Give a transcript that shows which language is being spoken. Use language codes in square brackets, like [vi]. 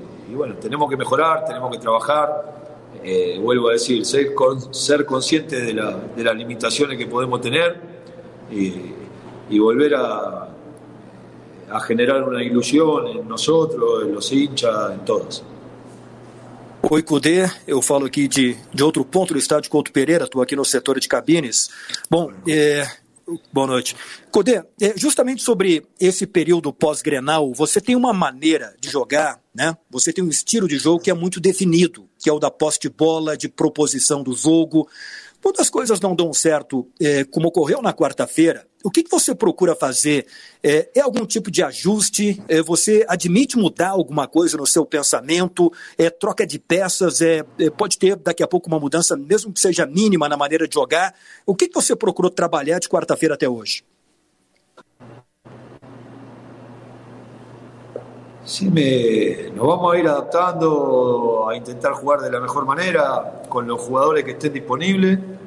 [es] Y bueno, tenemos que mejorar, tenemos que trabajar. Vuelvo a decir, ser consciente de las limitaciones que podemos tener y volver a generar una ilusión en nosotros, en los hinchas, en todos. [pt] Oi, Cudê, eu falo aqui de outro ponto do estádio Couto Pereira, estou aqui no setor de cabines. Bom, boa noite. Cudê, justamente sobre esse período pós-Grenal, você tem uma maneira de jogar, né? Você tem um estilo de jogo que é muito definido, que é o da posse de bola, de proposição do jogo. Quando as coisas não dão certo, como ocorreu na quarta-feira, o que você procura fazer? É algum tipo de ajuste? Você admite mudar alguma coisa no seu pensamento? Troca de peças? Pode ter daqui a pouco uma mudança, mesmo que seja mínima, na maneira de jogar? O que você procurou trabalhar de quarta-feira até hoje? [es] Sí, nos vamos a ir adaptando a intentar jugar de la mejor manera con los jugadores que estén disponibles